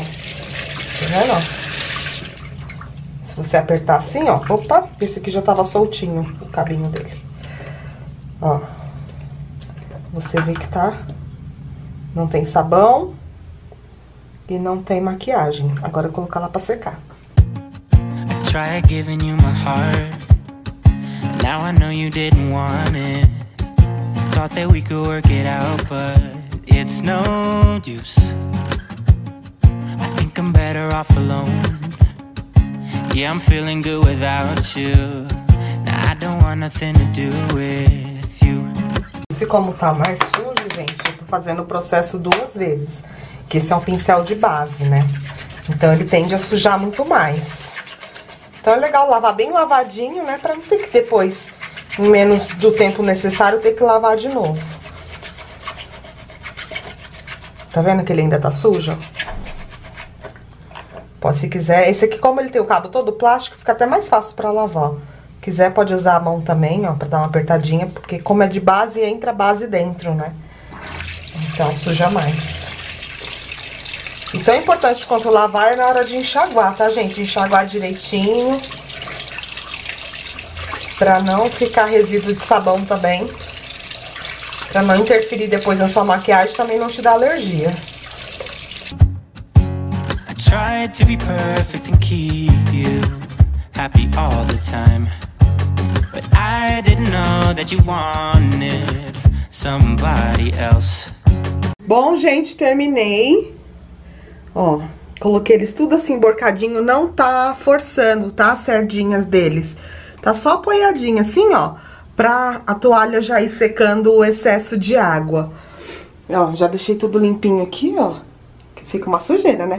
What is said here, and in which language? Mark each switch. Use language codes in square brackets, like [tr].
[pt] Tá vendo, ó? Se você apertar assim, ó. Opa, esse aqui já tava soltinho o cabinho dele. Ó. Você vê que tá... Não tem sabão. E não tem maquiagem. Agora eu vou colocar lá pra secar. [en] I tried giving you my heart. Now I know you didn't want it. Thought that we could work it out, but... It's no use. I think I'm better off alone. Yeah, I'm feeling good without you. Now I don't want nothing to do with you. [pt] Esse como tá mais sujo, gente, eu tô fazendo o processo duas vezes. Que esse é um pincel de base, né? Então ele tende a sujar muito mais. Então é legal lavar bem lavadinho, né? Pra não ter que depois, em menos do tempo necessário, ter que lavar de novo. Tá vendo que ele ainda tá sujo? Pode, se quiser. Esse aqui, como ele tem o cabo todo plástico, fica até mais fácil pra lavar. Se quiser, pode usar a mão também, ó, pra dar uma apertadinha. Porque como é de base, entra a base dentro, né? Então, suja mais. E tão importante quanto lavar é na hora de enxaguar, tá, gente? Enxaguar direitinho. Pra não ficar resíduo de sabão também. Pra não interferir depois na sua maquiagem, também não te dá alergia. [en] I tried to be perfect and keep you happy all the time. But I didn't know that you wanted somebody else. [pt] Bom, gente, terminei. Ó, coloquei eles tudo assim, borcadinho. Não tá forçando, tá? As cerdinhas deles. Tá só apoiadinha, assim, ó. Pra a toalha já ir secando o excesso de água. Ó, já deixei tudo limpinho aqui, ó. Que fica uma sujeira, né?